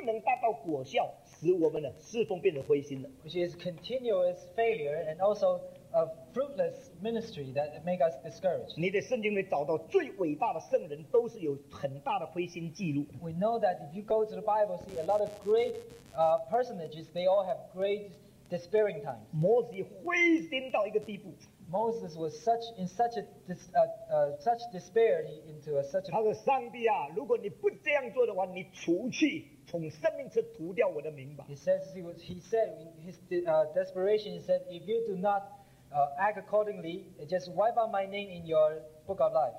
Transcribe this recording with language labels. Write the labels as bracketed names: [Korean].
[Chinese] 经常不断的失败，同不能达到果效，使我们的侍奉变得灰心了。 [English] Which is continuous failure and also a fruitless ministry that make us discouraged. [Chinese] 你在圣经里找到最伟大的圣人，都是有很大的灰心记录。 [English] We know that if you go to the Bible, see a lot of great personages, they all have great despairing times. [Chinese] 摩西灰心到一个地步。 [English] Moses was such despair into a such a. [Chinese] 他说：“上帝啊，如果你不这样做的话，你除去从生命册涂掉我的名吧。” [English] He said in his desperation, "If you do not act accordingly, just wipe out my name in your book of life."